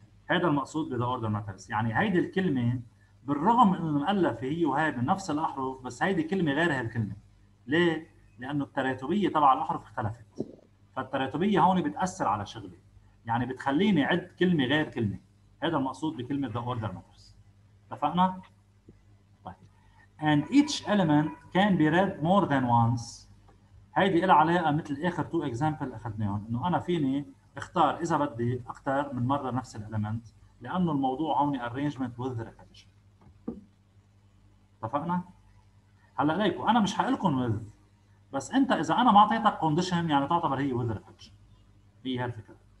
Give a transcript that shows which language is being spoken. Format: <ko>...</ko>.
<ar>هذا المقصود بـ</ar> <en>the order matters،</en> <ar>يعني هيدي الكلمة بالرغم انه مؤلفة هي وهي من نفس الاحرف، بس هيدي كلمة غير هالكلمة. ليه؟ لانه التراتبية تبع الاحرف اختلفت، فالتراتبية هون بتأثر على شغلي، يعني بتخليني عد كلمة غير كلمة. هذا المقصود بكلمة</ar> <en>the order matters.</en> <ar>اتفقنا؟ طيب.</ar> <en>And each element can be read more than once.</en> <ar>هيدي إلها علاقة مثل آخر</ar> <en>two examples</en> <ar>أخذناهم، إنه أنا فيني اختار إذا بدي أكثر من مرة نفس الإلمنت، لأنه الموضوع هوني</ar> <en>arrangement with repetition.</en> <ar>اتفقنا؟ هلا ليكو أنا مش هقلكم with، بس أنت إذا أنا ما أعطيتك condition يعني تعتبر هي</ar> <en>with repetition.</en> <ar>هي هالفكرة.</ar>